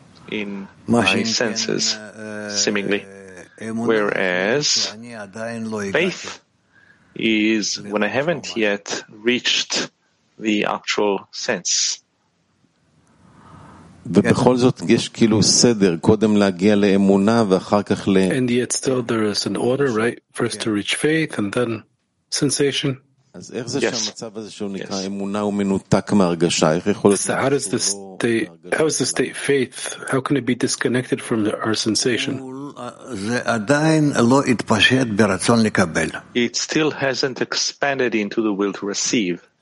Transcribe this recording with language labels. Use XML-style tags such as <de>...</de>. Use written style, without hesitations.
<en>In my senses, seemingly. Whereas faith is when I haven't yet reached the actual sense.</en> <he>ובכל זאת יש כאילו סדר, קודם להגיע לאמונה ואחר כך ל...</he> <en>And yet still there is an order, right? First to reach faith and then sensation.</en> <he>אז איך זה שהמצב הזה שהוא נקרא אמונה הוא מנותק מהרגשה? איך יכול להיות...</he> <en>So how, how is the state faith? How can it be disconnected from our sensation?</en> <he>זה עדיין לא התפשט ברצון לקבל.</he> <en>It still hasn't expanded into the will to receive.</en>